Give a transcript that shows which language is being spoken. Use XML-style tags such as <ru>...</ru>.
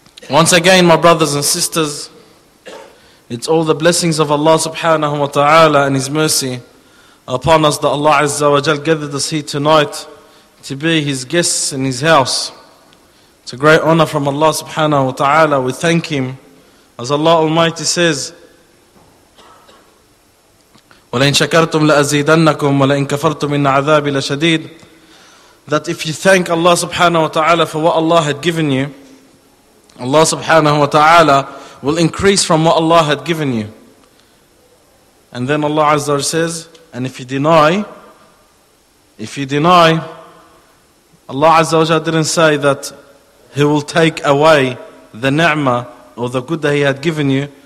<en>Once again, my brothers and sisters, it's all the blessings of Allah subhanahu wa ta'ala and His mercy upon us that Allah azza wa jal gathered us here tonight to be His guests in His house. It's a great honor from Allah subhanahu wa ta'ala. We thank Him.</en> <ar>As Allah Almighty says, وَلَئِنْ شَكَرْتُمْ لَأَزِيدَنَّكُمْ وَلَئِنْ كَفَرْتُمْ إِنَّ عَذَابِ لَشَدِيدٍ.</ar> <en>That if you thank Allah subhanahu wa ta'ala for what Allah had given you, Allah subhanahu wa ta'ala will increase from what Allah had given you. And then Allah Azza wa Jalla says, and if you deny, Allah Azza wa Jalla didn't say that He will take away the ni'mah or the good that He had given you.</en>